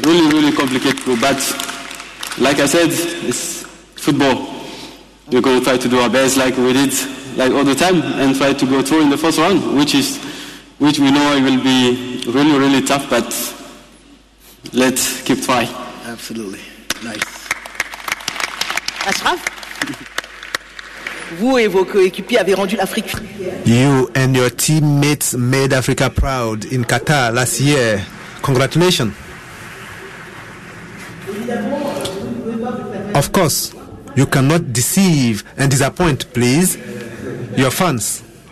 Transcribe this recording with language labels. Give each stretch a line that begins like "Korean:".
English: Really, really complicated group. But like I said, it's football. We're going to try to do our best like we did like all the time and try to go through in the first round, which we know it will be really, really tough, but let's keep trying. Absolutely. Nice.
French: Ashraf, vous et vos coéquipiers avez rendu l'Afrique.
English: You and your teammates made Africa proud in Qatar last year. Congratulations. Of course, you cannot deceive and disappoint, please, your fans.